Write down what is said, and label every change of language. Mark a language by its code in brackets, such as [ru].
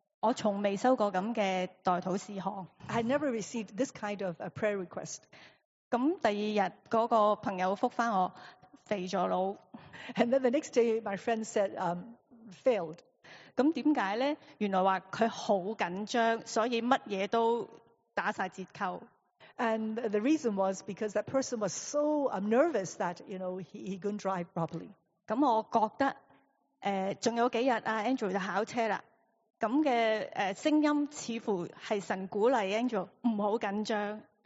[yue] 我從未收過咁嘅代禱事項。 [en] I had never received this kind of a prayer request. [yue] 咁第二日嗰個朋友覆翻我肥咗佬。 [en] And then the next day, my friend said failed. [yue] 咁點解咧？原來話佢好緊張，所以乜嘢都打曬折扣。 [en] And the reason was because that person was so nervous that you know he couldn't drive properly. [yue] 咁我覺得仲有幾日啊 ，Andrew 就考車啦。咁嘅聲音似乎係神鼓勵 Andrew 唔好緊張。